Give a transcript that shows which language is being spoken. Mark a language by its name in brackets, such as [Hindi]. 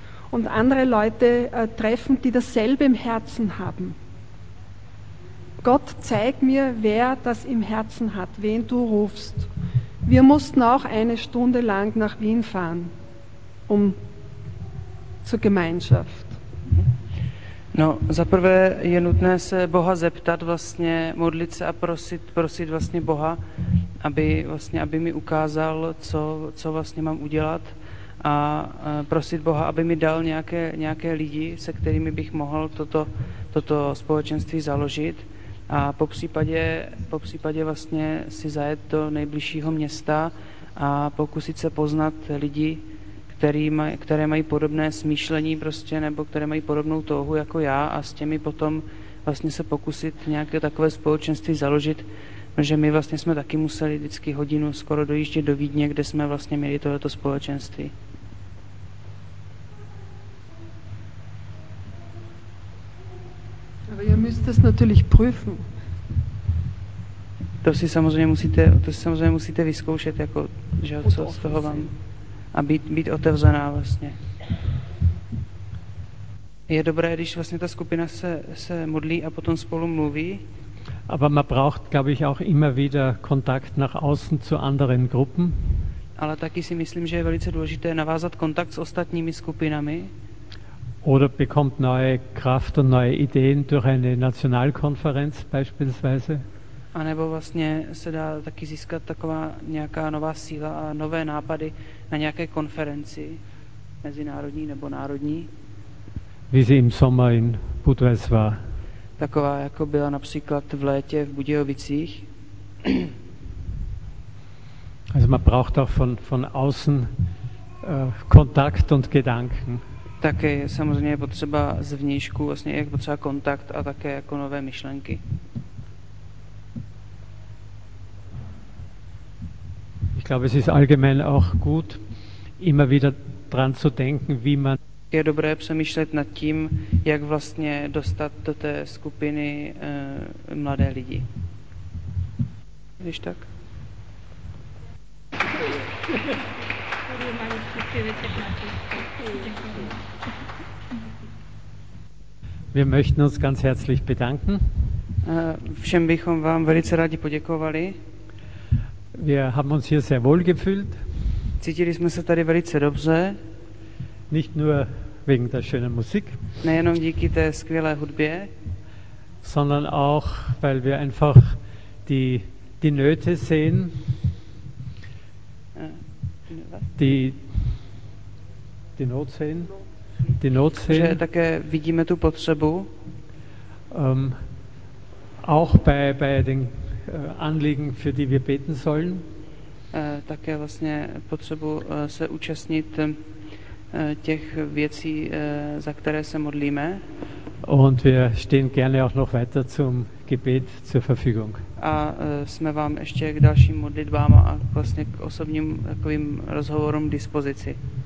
[German] Und andere Leute treffen, die dasselbe im Herzen haben. Gott, zeig mir, wer das im Herzen hat, wen du rufst. Wir mussten auch eine Stunde lang nach Wien fahren, um zur Gemeinschaft. [Czech] No, za prvé je nutné se Boha zeptat, vlastně modlit se a prosit vlastně Boha, aby mi ukázal, co vlastně mám udělat, a prosit Boha, aby mi dal nějaké lidi, se kterými bych mohl toto společenství založit, a popřípadě vlastně si zajet do nejbližšího města a pokusit se poznat lidi, které mají podobné smýšlení prostě, nebo které mají podobnou touhu jako já, a s těmi potom vlastně se pokusit nějaké takové společenství založit, protože my vlastně jsme taky museli vždycky hodinu skoro dojíždět do Vídně, kde jsme vlastně měli toto společenství. [German] Aber ihr müsst das natürlich prüfen. [Czech] To si samozřejmě musíte vyzkoušet, jako, že co z toho vám, a být otevřená vlastně. Je dobré, když vlastně ta skupina se modlí a potom spolu mluví. [German] Aber man braucht, glaube ich, auch immer wieder Kontakt nach außen zu anderen Gruppen. [Czech] Ale taky si myslím, že je velice důležité navázat kontakt s ostatními skupinami. [German] Oder bekommt neue Kraft und neue Ideen durch eine Nationalkonferenz beispielsweise. [Czech] A nebo vlastně se dá taky získat taková nějaká nová síla a nové nápady na nějaké konferenci mezinárodní nebo národní. [German] Wie sie im Sommer in Budweis war. [Czech] Taková, jako byla například v létě v Budějovicích. [German] Also man braucht auch von außen Kontakt und Gedanken. [Czech] Také samozřejmě je potřeba zvnějšku, vlastně je potřeba kontakt a také jako nové myšlenky. [German] Ich glaube, es ist allgemein auch gut, immer wieder dran zu denken, wie man. [Czech] Je dobré přemýšlet nad tím, jak vlastně dostat do té skupiny mladé lidi. Když tak? [German] Wir möchten uns ganz herzlich bedanken. [Czech] Všem bychom vám velice rádi poděkovali. [German] Wir haben uns hier sehr wohl gefühlt. [Czech] Cítili jsme se tady velice dobře. [German] Nicht nur wegen der schönen Musik. [Czech] Nejenom díky té skvělé hudbě. [German] Sondern auch, weil wir einfach die Nöte sehen. Die Not sehen. [Czech] Že také vidíme tu potřebu. [German] Auch bei den Anliegen, für die wir beten sollen. [Czech] Také vlastně potřebu se účastnit těch věcí, za které se modlíme. [German] Und wir stehen gerne auch noch weiter zum Gebet zur Verfügung. [Czech] A jsme vám ještě k dalším modlitbám a vlastně k osobním takovým rozhovorům k dispozici.